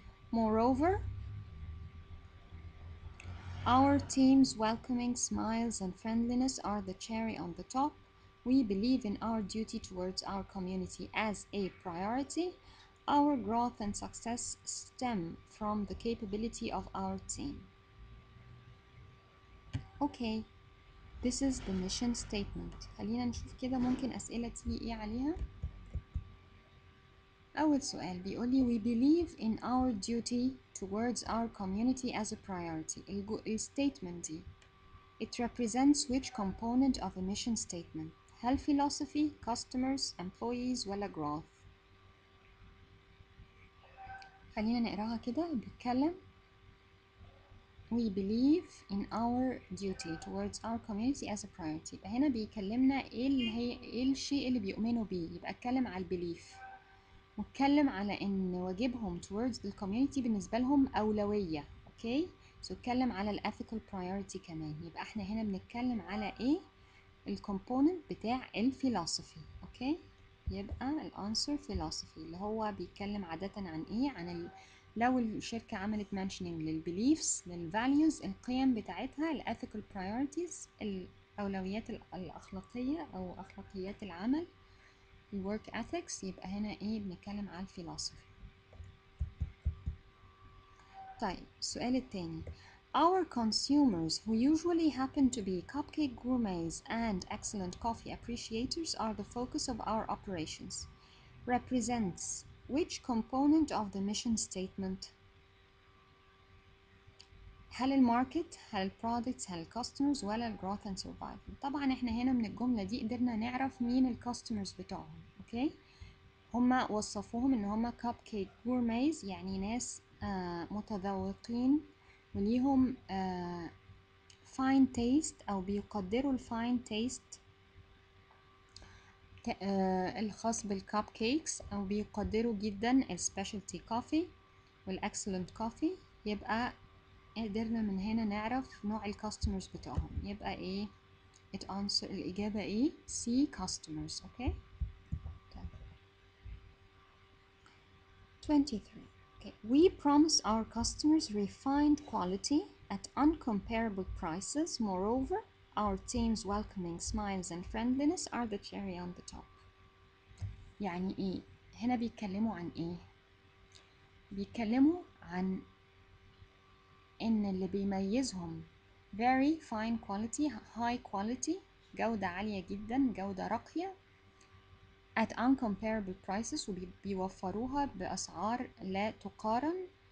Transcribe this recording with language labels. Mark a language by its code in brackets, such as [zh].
[en] Moreover, our team's welcoming smiles and friendliness are the cherry on the top. We believe in our duty towards our community as a priority. Our growth and success stem from the capability of our team. Okay. This is the mission statement. [ar] خلينا نشوف كده ممكن أسئلة تيجي إيه عليها. أول سؤال بيقول لي [en] we believe in our duty towards our community as a priority. الـ statement دي it represents which component of a mission statement؟ هل philosophy, customers, employees ولا growth؟ [ar] خلينا نقراها كده. [en] بيتكلم We believe in our duty towards our community as a priority. [ar] يبقى هنا بيكلمنا ايه الشيء اللي بيؤمنوا بيه. يبقى اتكلم على البليف، واتكلم على ان واجبهم [en] towards the community [ar] بالنسبة لهم اولوية. اوكي سو اتكلم على الethical priority كمان. يبقى احنا هنا بنتكلم على ايه؟ الكومبوننت بتاع الفيلوسفي. اوكي يبقى الانسر philosophy اللي هو بيتكلم عادة عن ايه؟ عن لو الشركة عملت mentioning للbeliefs للvalues القيم بتاعتها الethical priorities الأولويات الأخلاقية أو أخلاقيات العمل work ethics. يبقى هنا إيه؟ بنتكلم على philosophy. طيب السؤال الثاني [en] Our consumers who usually happen to be cupcake gourmets and excellent coffee appreciators are the focus of our operations represents Which component of the mission statement? [ar] هل الماركت؟ هل البرودكتس؟ هل الكاستمرز؟ ولا الجروث اند سرفايفل؟ طبعا احنا هنا من الجملة دي قدرنا نعرف مين الكاستمرز بتوعهم. اوكي هما وصفوهم ان هما كب كيك غورميز، يعني ناس متذوقين وليهم [en] fine taste [ar] أو بيقدروا fine taste الخاص بالكب كيكس، أو بيقدروا جدا [en] specialty coffee [ar] والexcellent coffee. يبقى قدرنا من هنا نعرف نوع الكاستمرز بتاعهم، يبقى ايه [en] it answer [ar] الإجابة ايه C customers. [en] okay 23. Okay. We promise our customers refined quality at incomparable prices. Moreover, our team's welcoming smiles and friendliness are the cherry on the top. [ar] يعني إيه؟ هنا بيتكلموا عن إيه؟ بيتكلموا عن إن اللي بيميزهم [en] very fine quality, high quality، [ar] جودة عالية جدا، جودة راقية. [en] At uncomparable prices، [ar] وبيوفروها بأسعار لا تقارن.